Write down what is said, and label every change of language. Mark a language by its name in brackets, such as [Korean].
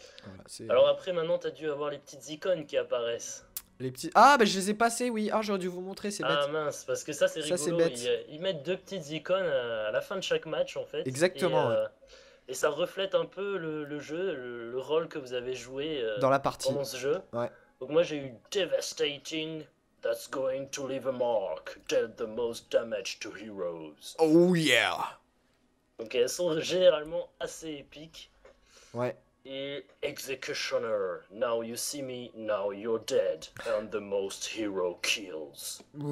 [French] Voilà, alors après, maintenant, t'as dû avoir les petites icônes qui apparaissent. Les petits... Ah bah je les ai passés, oui. Ah j'aurais dû vous montrer, c'est bête. Ah mince, parce que ça c'est rigolo, ça, c'est bête. Ils mettent 2 petites icônes à la fin de chaque match en fait. Exactement. Et ça reflète un peu le jeu, le rôle que vous avez joué dans la partie. Pendant ce jeu. Ouais. Donc moi j'ai eu [English] Devastating, that's going to leave a mark, dealt the most damage to heroes. Oh yeah. [French] Donc elles sont généralement assez épiques. Ouais. [English] Et Executioner, now you see me, now you're dead, and the most hero kills.